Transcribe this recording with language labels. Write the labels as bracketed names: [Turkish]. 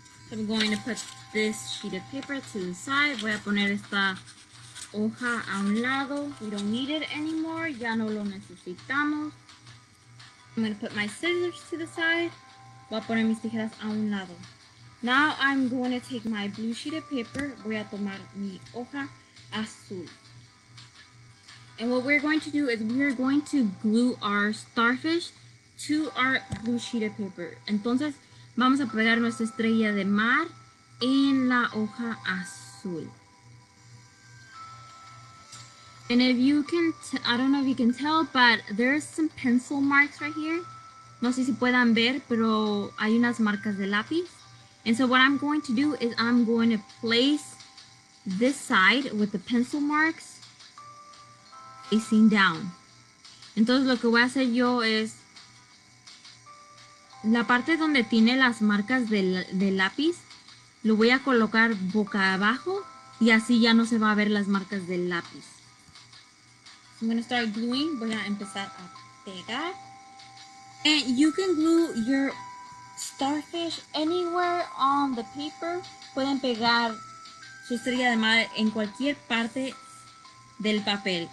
[English] So I'm going to put this sheet of paper to the side. [Spanish] Voy a poner esta hoja a un lado. [English] We don't need it anymore. [Spanish] Ya no lo necesitamos. [English] I'm going to put my scissors to the side. [Spanish] Voy a poner mis tijeras a un lado. [English] Now I'm going to take my blue sheet of paper. [Spanish] Voy a tomar mi hoja azul. [English] And what we're going to do is we're going to glue our starfish to our blue sheet of paper. [Spanish] Entonces, vamos a pegar nuestra estrella de mar en la hoja azul. [English] And if you can, I don't know if you can tell, but there's some pencil marks right here. [Spanish] No sé si puedan ver, pero hay unas marcas de lápiz. [English] And so what I'm going to do is I'm going to place this side with the pencil marks facing down. [Spanish] Entonces lo que voy a hacer yo es la parte donde tiene las marcas de lápiz, lo voy a colocar boca abajo y así ya no se va a ver las marcas del lápiz. [English] I'm going to start gluing. [Spanish] Voy a empezar a pegar. [English] And you can glue your starfish anywhere on the paper. [Spanish] Pueden pegar su estrella de mar en cualquier parte del papel.